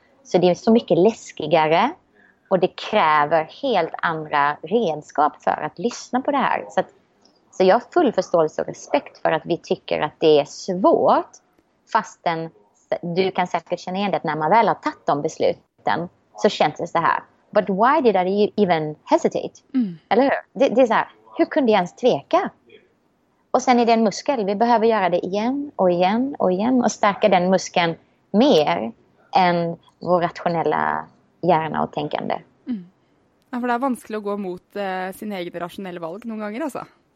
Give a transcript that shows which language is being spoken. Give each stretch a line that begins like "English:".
Swedish: Så det är så mycket läskigare. Och det kräver helt andra redskap för att lyssna på det här. Så jag har full förståelse och respekt för att vi tycker att det är svårt. Fastän du kan säkert känna igen det att när man väl har tagit de besluten så känns det så här.
English: But why did I even hesitate? Mm.
Swedish: Eller hur? Det är så här, hur kunde jag ens tveka? Och sen är det en muskel. Vi behöver göra det igen och igen och igen. Och stärka den muskeln mer än vår rationella hjärna och tänkande. Mm. Ja, för det är vanskligt att gå emot sin egen rationella valg någon gånger alltså.